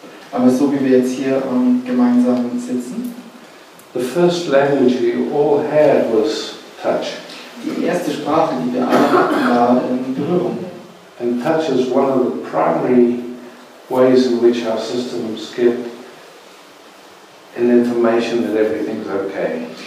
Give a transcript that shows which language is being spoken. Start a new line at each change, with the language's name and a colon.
German: aber so wie wir jetzt hier gemeinsam sitzen,
English: the first language we all had was touch.
German: Die erste Sprache, die wir alle hatten, war Berührung.
English: And touch is one of the primary ways in which our systems get an information that everything's okay.